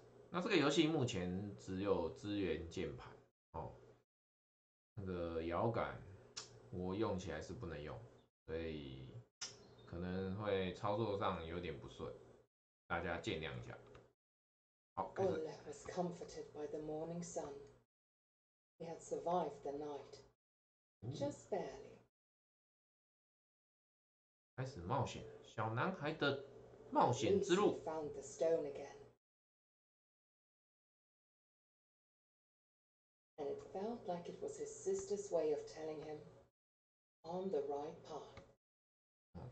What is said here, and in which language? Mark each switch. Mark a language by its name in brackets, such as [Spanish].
[Chinese] 那这个游戏目前只有支援键盘哦，那个摇杆我用起来是不能用，所以可能会操作上有点不顺，大家见谅一下。好，开始。 [English] All that was comforted by the morning sun. He had survived the night, just barely. [Chinese] 开始冒险，小男孩的冒险之路。 [English] He found the stone again, and it felt like it was his sister's way of telling him, on the right path.